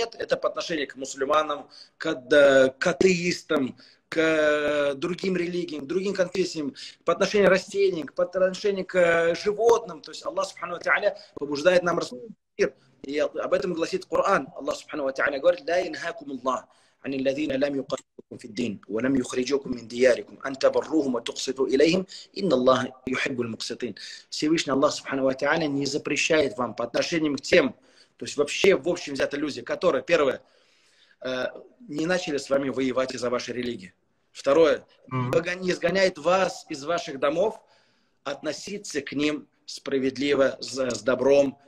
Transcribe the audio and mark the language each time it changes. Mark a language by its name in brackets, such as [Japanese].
[Russian] Нет, это по отношению к мусульманам, к атеистам, к другим религиям, к другим конфессиям, по отношению к растениям, по отношению к животным. То есть Аллах Субхану ва Тааля побуждает нам распространять мир. И об этом гласит Коран. Аллах Субхану ва Тааля говорит: [Arabic] «Ла йанхакум Аллах». عن الذين لم يقاتلوكم في الدين ولم يخرجوكم من دياركم أن تبروهم وتقسطوا إليهم إن الله يحب المقسطين. [Russian] Всевышний Аллах Субхану ва Тааля не запрещает вам по отношению к тем, то есть вообще в общем взяты люди, которые, первое, не начали с вами воевать из-за вашей религии. Второе, не изгоняет вас из ваших домов, относиться к ним справедливо, с добром.